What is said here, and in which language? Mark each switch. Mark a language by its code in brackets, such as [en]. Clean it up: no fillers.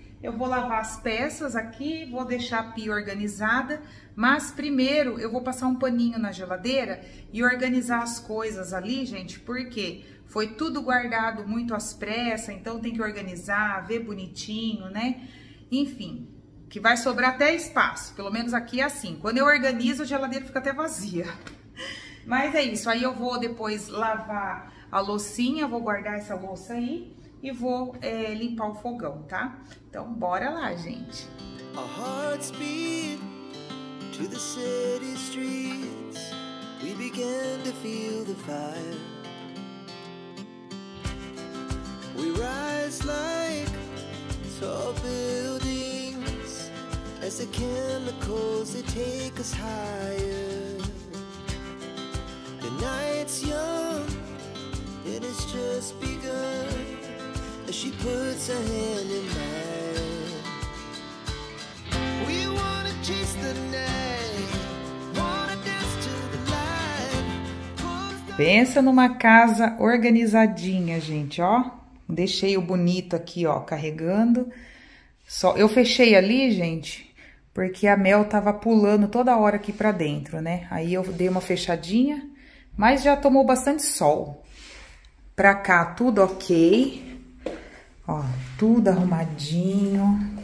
[pt] Eu vou lavar as peças aqui, vou deixar a pia organizada, mas primeiro eu vou passar um paninho na geladeira e organizar as coisas ali, gente, porque foi tudo guardado muito às pressas, então tem que organizar, ver bonitinho, né? Enfim, que vai sobrar até espaço, pelo menos aqui é assim. Quando eu organizo, a geladeira fica até vazia. Mas é isso, aí eu vou depois lavar a loucinha, vou guardar essa louça aí. E vou limpar o fogão, tá? Então, bora lá, gente. [en] Our hearts beat to the city streets. We begin to feel the fire. We rise like tall buildings as the chemicals they take us higher. The night's young and it's just begun. As she puts her hand in mine, we wanna chase the night, wanna dance to the light. [pt] Pensa numa casa organizadinha, gente, ó. Deixei o bonito aqui, ó, carregando. Só eu fechei ali, gente, porque a Mel tava pulando toda hora aqui para dentro, né? Aí eu dei uma fechadinha, mas já tomou bastante sol. Pra cá tudo ok. Ó, tudo arrumadinho.